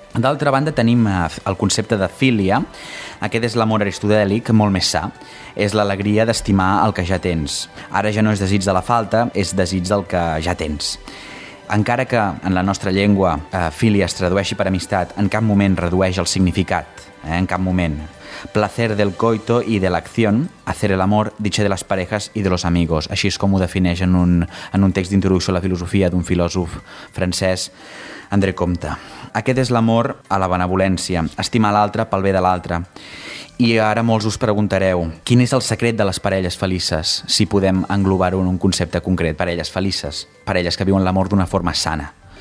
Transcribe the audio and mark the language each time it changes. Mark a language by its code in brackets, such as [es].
[ca] D'altra banda, tenim el concepte de filia. Aquest és l'amor aristotèlic, molt més sa. És l'alegria d'estimar el que ja tens. Ara ja no és desig de la falta, és desig del que ja tens. Encara que en la nostra llengua filia es tradueixi per amistat, en cap moment redueix el significat, en cap moment. [es] Placer del coito y de la acción, hacer el amor, dicho de las parejas y de los amigos. [ca] Així és com ho defineix en un text d'introducció a la filosofia d'un filòsof francès, André Comte. Aquest és l'amor a la benevolència, estimar l'altre pel bé de l'altre. I ara molts us preguntareu, quin és el secret de les parelles felices, si podem englobar-ho en un concepte concret, parelles felices, parelles que viuen l'amor d'una forma sana.